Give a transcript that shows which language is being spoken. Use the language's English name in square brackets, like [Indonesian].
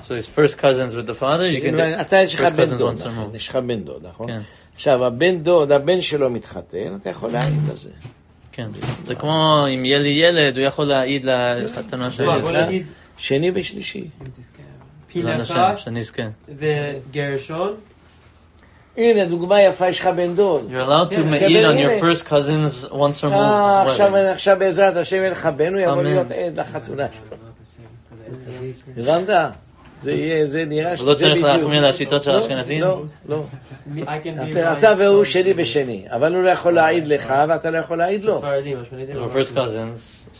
[English] So it's first cousins with the father? [Hebrew] אתה יש לך בן דוד, נכון? יש לך בן דוד, נכון? עכשיו, הבן דוד, הבן שלו מתחתן, אתה יכול להעיד לזה. כן, זה כמו אם יהיה לי ילד, הוא יכול להעיד לחתנה של ילד. שני ושלישי. פילחס וגרשון. הנה, דוגמה יפה, יש לך בן דוד. [English] You're allowed to meet on your first cousin's once removed wedding. [Hebrew] עכשיו בעזרת השם אין לך בן, הוא יבוא להיות עד לחתונה. הבנת? זה נראה שזה בדיוק. לא צריך להחמיר לשיטות של אשכנזים? לא, לא. אתה והוא שני בשני, אבל הוא לא יכול להעיד לך, ואתה לא יכול להעיד לו. [English] For first cousins.